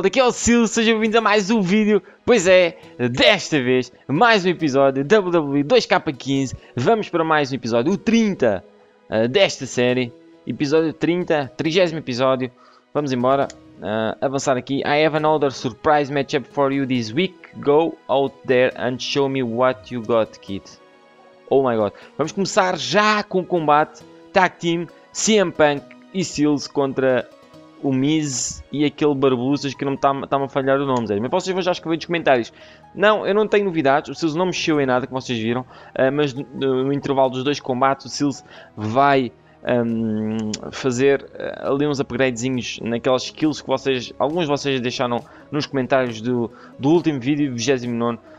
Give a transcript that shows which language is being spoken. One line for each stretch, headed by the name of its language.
Portuguese: Daqui é o Sil, sejam bem-vindos a mais um vídeo. Pois é, desta vez, mais um episódio WWE 2K15. Vamos para mais um episódio, o 30 desta série. Episódio 30, 30º episódio. Vamos embora, avançar aqui.
English: I have another surprise matchup for you this week. Go out there and show me what you got, kid. Oh my god.
Portuguese: Vamos começar já com o combate. Tag Team, CM Punk e Sills contra o Miz e aquele Barbuças que não está-me tá a falhar o nome, Zé. Mas vocês vão já escrever nos comentários. Não, eu não tenho novidades. O Sills não mexeu em nada, como vocês viram. Mas no intervalo dos dois combates, o Sills vai fazer ali uns upgradezinhos naquelas skills que vocês, alguns de vocês deixaram nos comentários do último vídeo, 29º.